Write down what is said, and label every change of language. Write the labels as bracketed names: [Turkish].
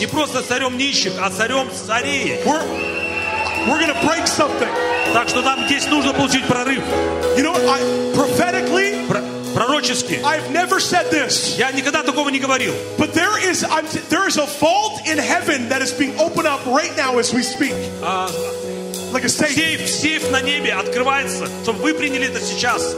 [Russian] Не просто царем нищих, а царем царей. [English] We're gonna break something. [Russian] Так что нам здесь нужно получить прорыв. [English] You know, I prophetically. [Russian] Пророчески. [English] I've never said this. [Russian] Я никогда такого не говорил. [English] But there is a vault in heaven that is being opened up right now as we speak. Like a safe. [Russian] Сейф на небе открывается, чтобы вы приняли это сейчас.